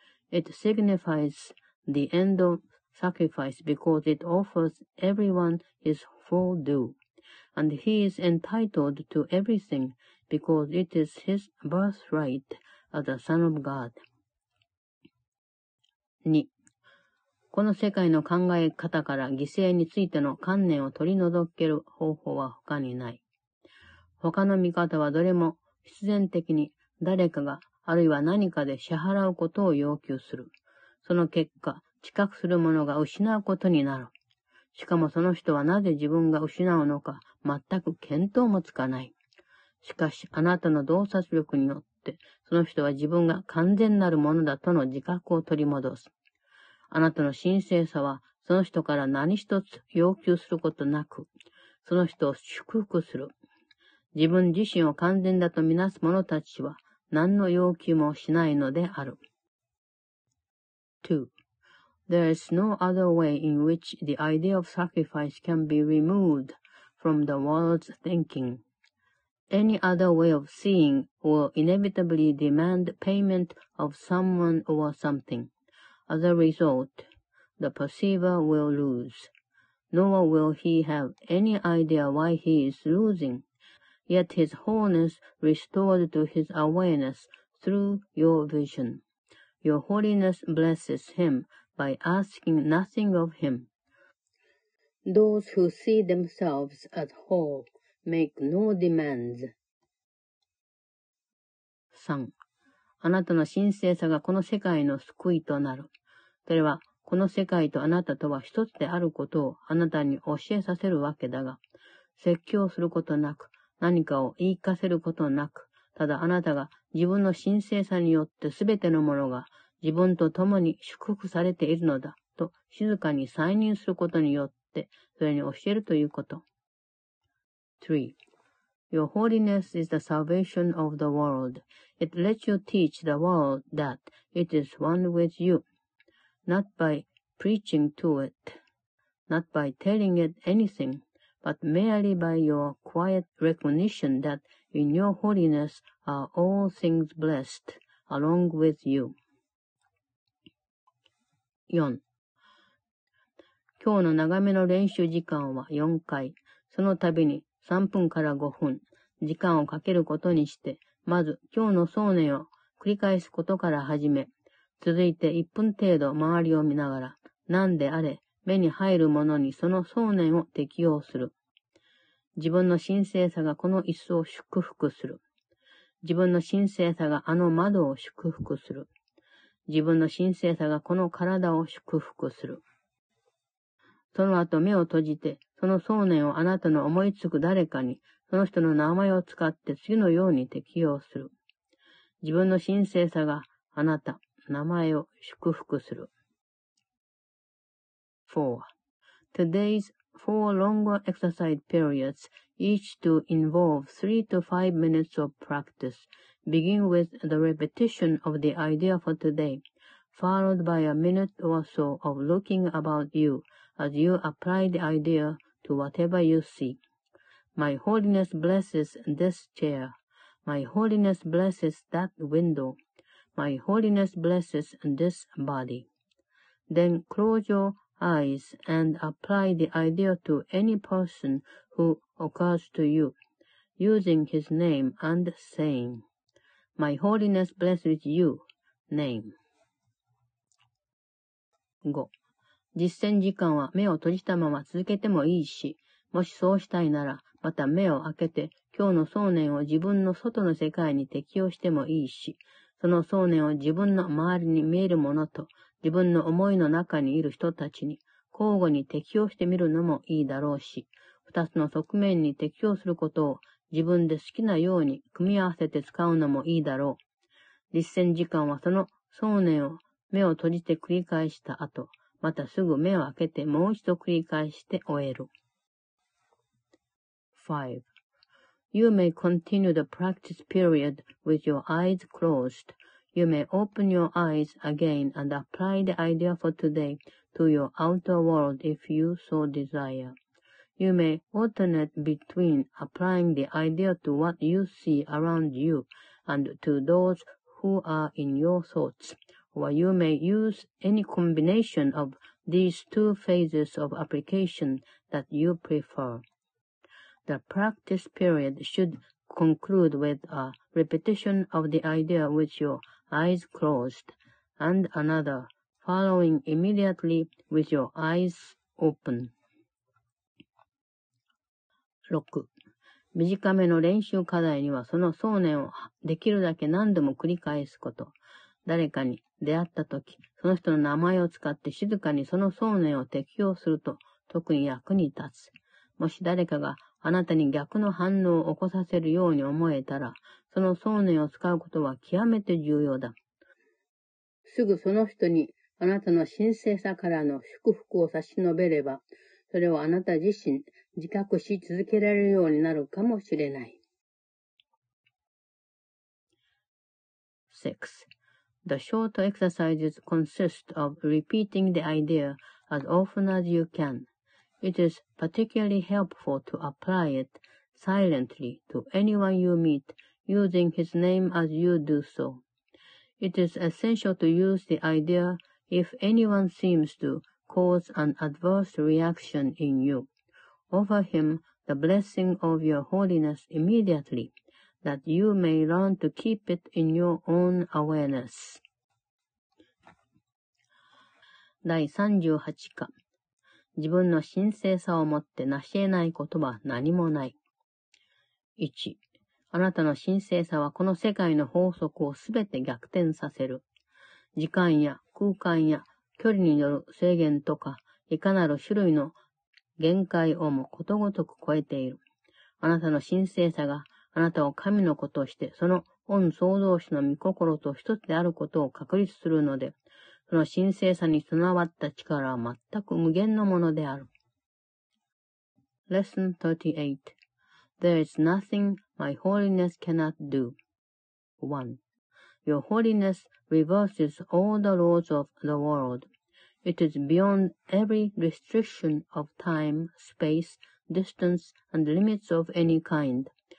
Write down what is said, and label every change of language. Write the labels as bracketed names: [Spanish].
[English] It signifies the end of sacrifice because it offers everyone his full due, and he is entitled to everything because it is his birthright as a son of God. 2. [Japanese] この世界の考え方から犠牲についての観念を取り除ける方法は他にない。他の見方はどれも必然的に誰かがあるいは何かで支払うことを要求する。その結果、知覚するものが失うことになる。しかもその人はなぜ自分が失うのか全く見当もつかない。しかしあなたの洞察力によってその人は自分が完全なるものだとの自覚を取り戻す。あなたの神聖さは、その人から何一つ要求することなく、その人を祝福する。自分自身を完全だとみなす者たちは、何の要求もしないのである。 [English] 2.There is no other way in which the idea of sacrifice can be removed from the world's thinking.Any other way of seeing will inevitably demand payment of someone or something. As a result, the perceiver will lose. Nor will he have any idea why he is losing. Yet his wholeness restored to his awareness through your vision. Your holiness blesses him by asking nothing of him. Those who see themselves as whole make no demands. 3. [Japanese] あなたの神聖さがこの世界の救いとなる。それは、この世界とあなたとは一つであることをあなたに教えさせるわけだが、説教することなく、何かを言い聞かせることなく、ただあなたが自分の神聖さによって全てのものが自分と共に祝福されているのだと静かに再認することによって、それに教えるということ。 [English] 3.Your holiness is the salvation of the world.It lets you teach the world that it is one with you. Not by preaching to it, not by telling it anything, but merely by your quiet recognition that in your holiness are all things blessed along with you. 4. [Japanese] 今日の長めの練習時間は4回。その度に3分から5分時間をかけることにして、まず今日の想念を繰り返すことから始め、続いて1分程度周りを見ながら、何であれ目に入るものにその想念を適用する。自分の神聖さがこの椅子を祝福する。自分の神聖さがあの窓を祝福する。自分の神聖さがこの体を祝福する。その後目を閉じて、その想念をあなたの思いつく誰かに、その人の名前を使って次のように適用する。自分の神聖さがあなた、名前を祝福する。 [English] 4.Today's four longer exercise periods, each to involve 3 to 5 minutes of practice, begin with the repetition of the idea for today, followed by a minute or so of looking about you as you apply the idea to whatever you see. My holiness blesses this chair. My holiness blesses that window. My holiness blesses this body. Then close your eyes and apply the idea to any person who occurs to you, using his name and saying, My holiness blesses you, name. 5. [Japanese] 実践時間は目を閉じたまま続けてもいいし、もしそうしたいなら、また目を開けて、今日の想念を自分の外の世界に適用してもいいし、その想念を自分の周りに見えるものと、自分の思いの中にいる人たちに交互に適応してみるのもいいだろうし、二つの側面に適応することを自分で好きなように組み合わせて使うのもいいだろう。実践時間はその想念を目を閉じて繰り返した後、またすぐ目を開けてもう一度繰り返して終える。 [English] 5. You may continue the practice period with your eyes closed. You may open your eyes again and apply the idea for today to your outer world if you so desire. You may alternate between applying the idea to what you see around you and to those who are in your thoughts, or you may use any combination of these two phases of application that you prefer. The practice period should conclude with a repetition of the idea with youreyes closed, and another following immediately with your eyes open. 6. [Japanese] 短めの練習課題にはその想念をできるだけ何度も繰り返すこと。誰かに出会ったとき、その人の名前を使って静かにその想念を適用すると特に役に立つ。もし誰かがあなたに逆の反応を起こさせるように思えたら、その想念を使うことは極めて重要だ。すぐその人にあなたの神聖さからの祝福を差し伸べれば、それをあなた自身自覚し続けられるようになるかもしれない。 [English] 6. The short exercises consist of repeating the idea as often as you can. It is particularly helpful to apply it silently to anyone you meet, using his name as you do so. It is essential to use the idea if anyone seems to cause an adverse reaction in you. Offer him the blessing of your holiness immediately, that you may learn to keep it in your own awareness. [Japanese] 第38課自分の神聖さをもって成し得ないことは何もない。 1. あなたの神聖さはこの世界の法則をすべて逆転させる。時間や空間や距離による制限とか、いかなる種類の限界をもことごとく超えている。あなたの神聖さがあなたを神の子として、その御創造主の御心と一つであることを確立するので、その神聖さに備わった力は全く無限のものである。 [English] Lesson 38 There is nothing my holiness cannot do. 1. Your holiness reverses all the laws of the world. It is beyond every restriction of time, space, distance, and limits of any kind.